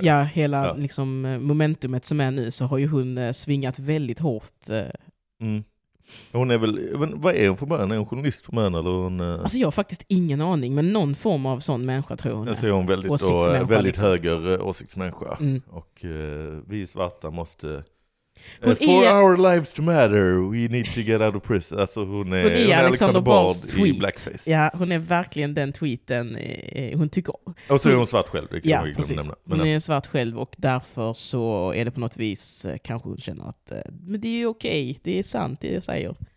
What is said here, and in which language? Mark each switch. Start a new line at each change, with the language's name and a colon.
Swedish: Ja, hela liksom, momentumet som är nu så har ju hon svingat väldigt hårt. Hon är väl, vad är hon för början? Är hon journalist för början? Eller hon, alltså jag har faktiskt ingen aning, men någon form av sån människa tror hon. Alltså är hon väldigt, åsiktsmänniska, och, väldigt liksom. Höger åsiktsmänniska. Och vi svarta måste...
English: for our lives to matter, we need to get out of prison.
Swedish: Alltså hon är Alexander Bard i blackface. Ja, hon är verkligen den tweeten. Hon tycker, och så är hon svart själv. Ja, precis. Hon är svart själv och därför så är det på något vis kanske hon känner att men det är ju okej, det är sant det jag säger.